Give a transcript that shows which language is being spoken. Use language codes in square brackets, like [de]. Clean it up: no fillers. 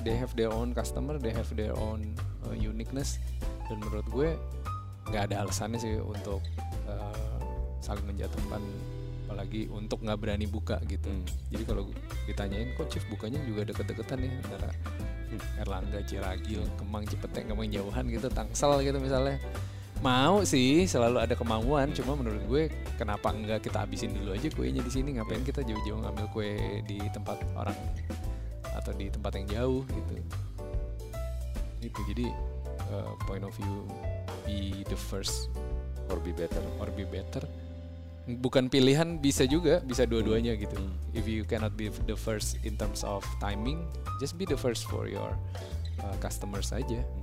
[en] They have their own customer, they have their own uniqueness. [id] Dan menurut gue enggak ada alasannya sih untuk saling menjatuhkan, apalagi untuk enggak berani buka gitu. Jadi kalau ditanyain kok Chief bukanya juga deket-deketan nih antara Erlangga, Ciragil, Kemang, Cipete, Kemang Jauhan gitu, Tangsel gitu misalnya. Mau sih, selalu ada kemauan. Cuma menurut gue, kenapa enggak kita habisin dulu aja kuenya di sini? Ngapain kita jauh-jauh ngambil kue di tempat orang atau di tempat yang jauh gitu? Itu jadi [en] point of view be the first or be better. Or be better, [id] bukan pilihan, bisa juga, bisa dua-duanya gitu. [en] If you cannot be the first in terms of timing, just be the first for your customers aja.